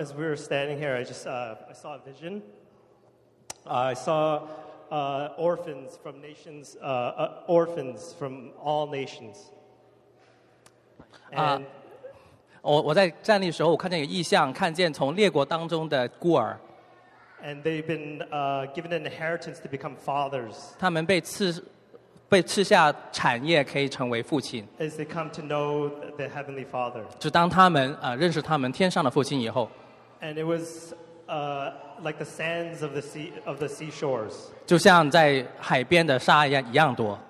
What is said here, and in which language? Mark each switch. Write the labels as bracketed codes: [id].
[en] As we were standing here, I saw a vision. I saw orphans from nations, orphans from all nations. And they've been given an inheritance to become fathers. [zh] 被赐下产业可以成为父亲。 [en] As they come to know the Heavenly Father. [zh] 就当他们认识他们天上的父亲以后。 [en] And it was like the sands of the seashores. [zh] 就像在海边的沙一样多。